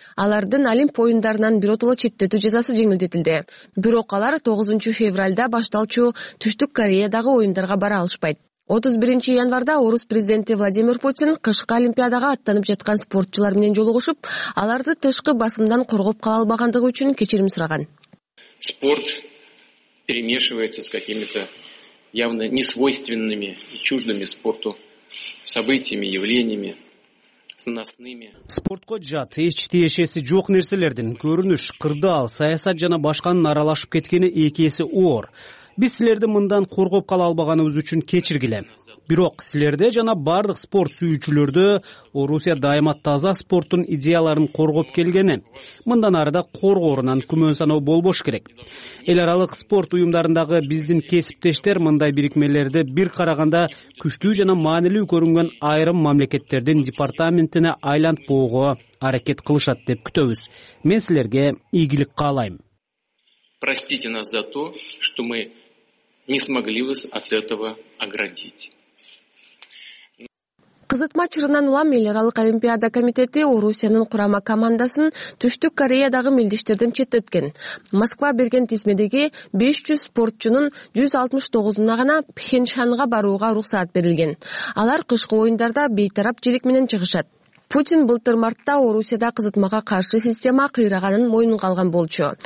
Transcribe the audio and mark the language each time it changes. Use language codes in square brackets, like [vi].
[ky] Алардын Олимп оюндарынан биротоло четтетүү жазасы жеңилдетилди. Бирок алар 9 февралда башталчу Түштүк Кореядагы оюндарга бара алышпайт. 31 январда Орус президенти Владимир Путин кышкы олимпиадага аттанып жаткан спортчулар менен жолугушуп, аларды тышкы басымдан коргоп кала албагандыгы үчүн кечирим сураган. [ru] Спорт перемешивается с какими-то явно несвойственными и чуждыми спорту событиями, явлениями, сынасными. [ky] Спортко жат, эч тиешеси жок нерселердин көрүнүш, кырдаал, саясат жана башканын аралашып кеткени эки эси оор. Биз силерди мындан коргоп кала албаганыбыз үчүн кечиргиле. Бирок силерде жана бардык спорт сүйүүчүлөрдө Орусия дайыма таза спорттун идеяларын коргоп келгени, мындан ары да коргоорунан күмөн саноо болбош керек. Эл аралык спорт уюмдарындагы биздин кесиптештер мындай бирикмелерди бир караганда күчтүү жана маанилүү көрүнгөн айрым мамлекеттердин департаментине айлантпоого аракет кылышат деп күтөбүз. Мен силерге ийгилик каалайм. [ru] Простите нас за то, что мы не смогли вас от этого оградить. [ky] Кызытма чырынан улам эл аралык олимпиада комитети Орусиянын курама командасын Түштүк Кореядагы мелдештерден четтеткен. Москва берген тизмедеги 500 спортчунун 169 гана Пхенчханга барууга уруксат берилген. Алар кышкы оюндарда бейтарап желек менен чыгышат. Путин былтыр мартта Орусияда кызытмага каршы система кыйраганын мойнунга алган болчу.